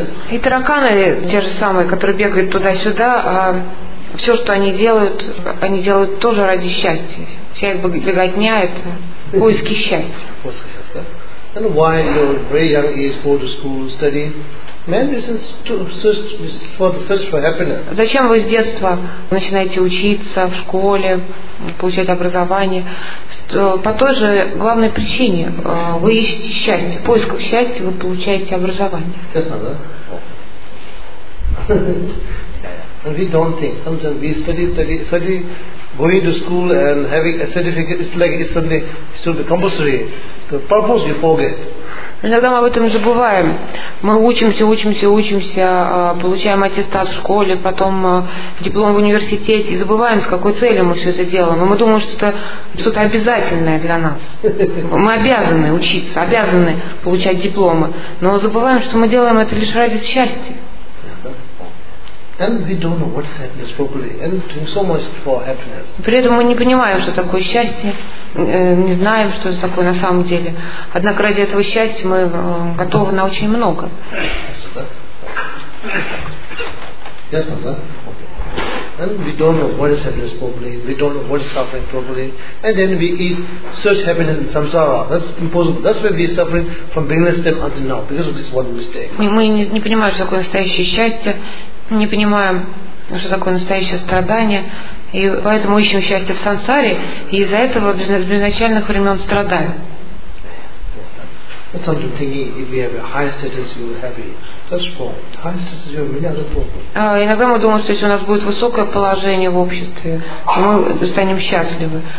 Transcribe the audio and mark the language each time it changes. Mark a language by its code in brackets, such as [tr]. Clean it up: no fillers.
[ru] И тараканы те же самые, которые бегают туда-сюда, все, что они делают тоже ради счастья. Вся их беготня – это поиски счастья. [en] Then why your very young age go to school, study? Main reason to search for the search for happiness. [ru] Зачем вы с детства начинаете учиться в школе, получать образование? По той же главной причине вы ищете счастье. В поисках счастья вы получаете образование. Честно, да? [en] And we don't think. Sometimes we study, going to school and having a certificate is like it's something it should be compulsory. The purpose we forget. [ru] Иногда мы об этом забываем. Мы учимся, получаем аттестат в школе, потом диплом в университете, и забываем, с какой целью мы все это делаем. И мы думаем, что это что-то обязательное для нас. Мы обязаны учиться, обязаны получать дипломы. Но забываем, что мы делаем это лишь ради счастья. [en] And we don't know what's happiness properly, and doing so much for happiness. [ru] При этом мы не понимаем, что такое счастье, не знаем, что это такое на самом деле. Однако ради этого счастья мы готовы на очень много. Ясно, да? Okay. [en] And we don't know what is happiness properly. We don't know what is suffering properly. And then we eat, search happiness in samsara. That's impossible. That's why we are suffering from beginning step until now because of this one mistake. [ru] Мы не понимаем, что такое настоящее счастье. Не понимаем, что такое настоящее страдание, и поэтому ищем счастье в сансаре, и из-за этого с изначальных времен страдаем. Иногда мы думаем, что если у нас будет высокое положение в обществе, мы станем счастливы.